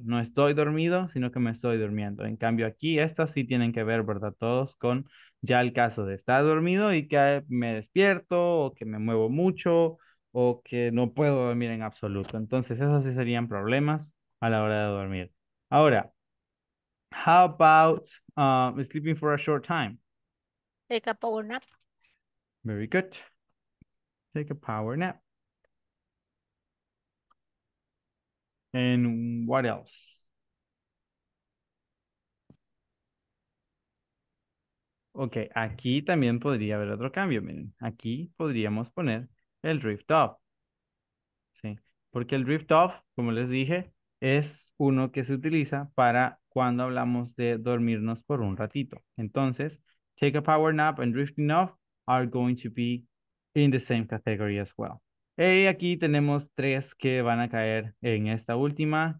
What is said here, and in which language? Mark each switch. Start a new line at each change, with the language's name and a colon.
Spanish: No estoy dormido, sino que me estoy durmiendo. En cambio, aquí estas sí tienen que ver, ¿verdad? Todos con... Ya el caso de estar dormido y que me despierto, o que me muevo mucho, o que no puedo dormir en absoluto. Entonces, esos sí serían problemas a la hora de dormir.
English: Ahora, how about sleeping for a short time? Take a power nap. Very good. Take a power nap. And what else?
Spanish: Ok, aquí también podría haber otro cambio, miren. Aquí podríamos poner el drift off. Sí, porque el drift off, como les dije, es uno que se utiliza para cuando hablamos de dormirnos por un ratito.
English: Entonces, take a power nap and drifting off are going to be in the same category as well.
Spanish: Y aquí tenemos tres que van a caer en esta última.